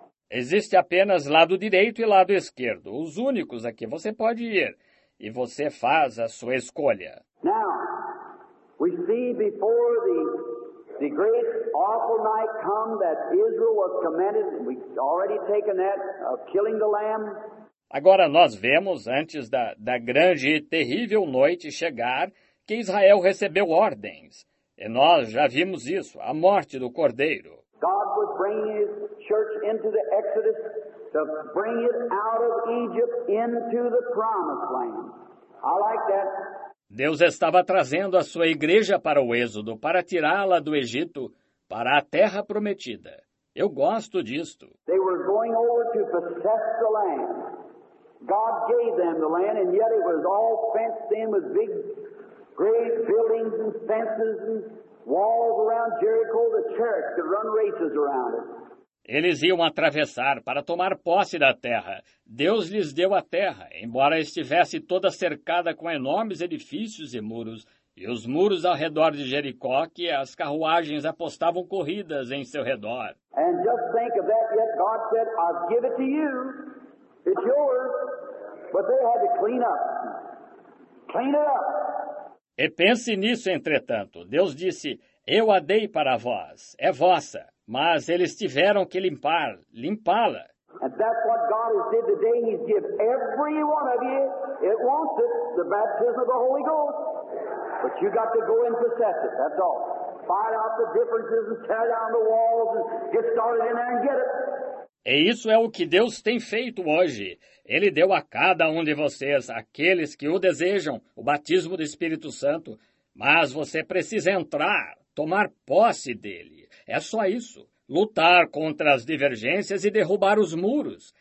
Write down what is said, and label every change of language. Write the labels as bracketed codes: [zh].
[pt] Existe apenas lado direito e lado esquerdo, os únicos a que você pode ir, e você faz a sua escolha. [en] Now, We see before the great awful night come that Israel was commanded, and we've already taken that of killing the lamb. [pt] Agora nós vemos, antes da grande e terrível noite chegar, que Israel recebeu ordens. E nós já vimos isso, a morte do Cordeiro. [en] God was bringing his church into the Exodus to bring it out of Egypt into the promised land. I like that. [pt] Deus estava trazendo a sua igreja para o Êxodo, para tirá-la do Egito, para a terra prometida. Eu gosto disto. [en] They were going over to possess the land. God gave them the land, and yet it was all fenced in with big, great buildings and fences and walls around Jericho, the church that run races around it. [pt] Eles iam atravessar para tomar posse da terra. Deus lhes deu a terra, embora estivesse toda cercada com enormes edifícios e muros, e os muros ao redor de Jericó, que as carruagens apostavam corridas em seu redor. [en] And just think of that, yet God said, I'll give it to you. It's yours. But they had to clean up. Clean it up. [pt] E pense nisso, entretanto. Deus disse, eu a dei para vós. É vossa. Mas eles tiveram que limpá-la. [en] And that's what God has did today. He's given every one of you, it wants it, the baptism of the Holy Ghost. But you got to go and possess it, that's all. Fight out the differences and tear down the walls and get started in there and get it. [pt] E isso é o que Deus tem feito hoje. Ele deu a cada um de vocês, aqueles que o desejam, o batismo do Espírito Santo. Mas você precisa entrar, tomar posse dele. É só isso. Lutar contra as divergências e derrubar os muros.